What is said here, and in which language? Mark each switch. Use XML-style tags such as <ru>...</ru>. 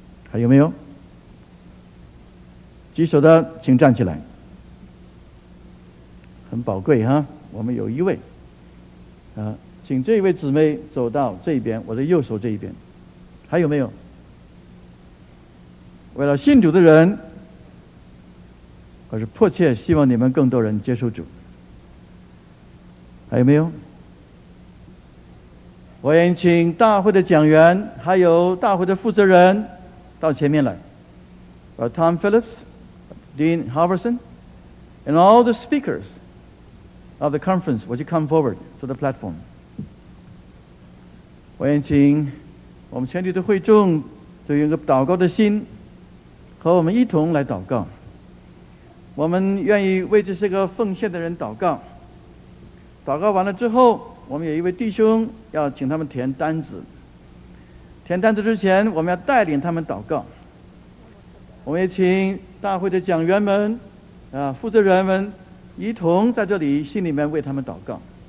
<zh>还有没有举手的请站起来，很宝贵哈，我们有一位啊，请这位姊妹走到这边，我的右手这一边。还有没有为了信主的人，我是迫切希望你们更多人接受主。还有没有？我愿意请大会的讲员还有大会的负责人到前面来，把</zh> <en>Tom Phillips, Dean Halverson and all the speakers of the conference, would you come forward to the platform?</en> <zh>我愿意请我们全体的会众就用一个祷告的心和我们一同来祷告，我们愿意为这些个奉献的人祷告，祷告完了之后，我们有一位弟兄要请他们填单子，填单子之前我们要带领他们祷告，我们也请大会的讲员们啊，负责人们一同在这里心里面为他们祷告。</zh>